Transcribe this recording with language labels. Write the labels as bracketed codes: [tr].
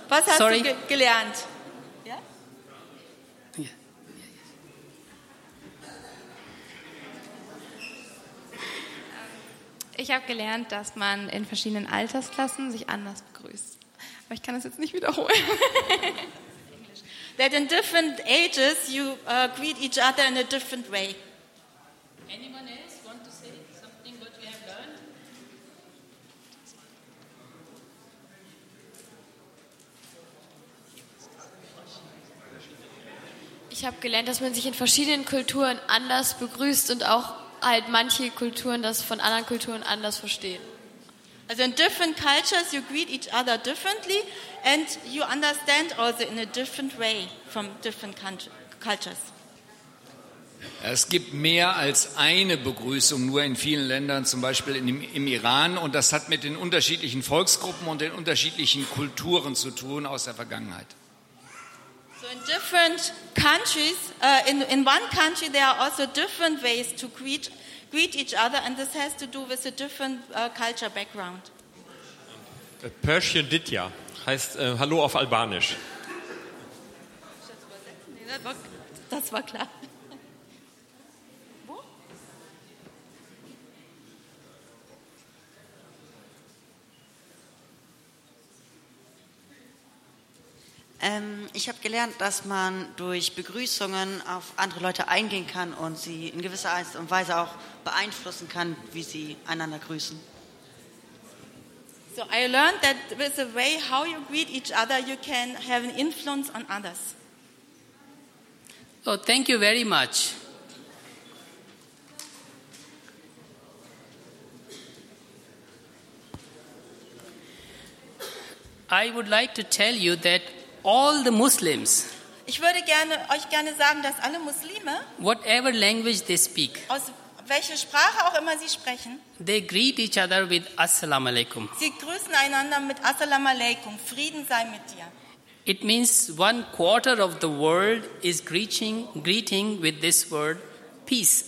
[de] Was hast Sorry. Du gelernt? Ich habe gelernt, dass man in verschiedenen Altersklassen sich anders begrüßt. Aber ich kann das jetzt nicht wiederholen. [en] That in different ages you greet each other in a different way. Anyone else want to say something what you have learned? [de] Ich habe gelernt, dass man sich in verschiedenen Kulturen anders begrüßt und auch halt manche Kulturen das von anderen Kulturen anders verstehen. [en] Also in different cultures you greet each other differently and you understand also in a different way from different cultures. [de] Es gibt mehr als eine Begrüßung nur in vielen Ländern, zum Beispiel im Iran, und das hat mit den unterschiedlichen Volksgruppen und den unterschiedlichen Kulturen zu tun aus der Vergangenheit. [en] So in different countries, in one country, there are also different ways to greet each other, and this has to do with a different culture background. [de] Persian Ditya heißt Hallo auf Albanisch. Das war klar. Ich habe gelernt, dass man durch Begrüßungen auf andere Leute eingehen kann und sie in gewisser Art und Weise auch beeinflussen kann, wie sie einander grüßen. [en] So I learned that with the way how you greet each other, you can have an influence on others. Oh, thank you very much. I would like to tell you that all the Muslims. [de] Ich würde euch gerne sagen, dass alle Muslime, [en] whatever language they speak, [de] aus welcher Sprache auch immer sie sprechen, [en] they greet each other with Assalamu alaikum. [de] Sie grüßen einander mit Assalamu alaikum. Frieden sei mit dir. [en] It means one quarter of the world is greeting with this word, peace.